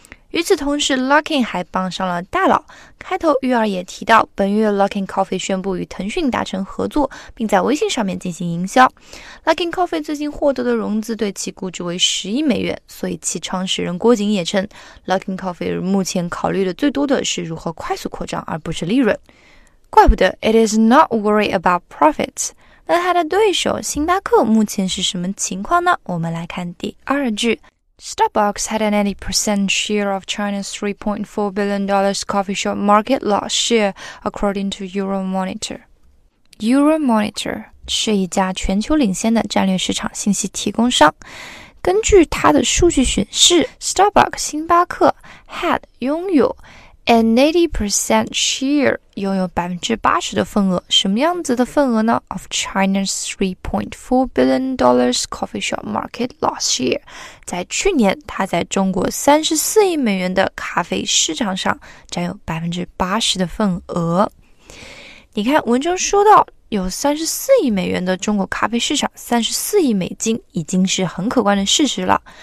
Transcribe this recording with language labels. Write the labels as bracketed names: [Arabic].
[Chinese] 与此同时 Luckin 还傍上了大佬。开头玉儿也提到，本月 Luckin Coffee 宣布与腾讯达成合作，并在微信上面进行营销。 Luckin Coffee 最近获得的融资对其估值为10亿美元，所以其创始人郭景也称 Luckin Coffee 目前考虑的最多的是如何快速扩张，而不是利润。怪不得 [English] It is not worried about profits。 [Chinese] 那他的对手星巴克目前是什么情况呢？我们来看第二句。 [English] Starbucks had an 80% share of China's $3.4 billion coffee shop market last year, according to Euromonitor. [Chinese] Euromonitor 是一家全球领先的战略市场信息提供商。根据它的数据显示 ,Starbucks 星巴克 had 拥有 [English] an 80% share, [Chinese] 拥有 80% 的份额。什么样子的份额呢？ [English] Of China's $3.4 billion coffee shop market last year. [Chinese] 在去年它在中国34亿美元的咖啡市场上占有 80% 的份额。你看文中说到有34亿美元的中国咖啡市场 ,34 亿美金已经是很可观的事实了。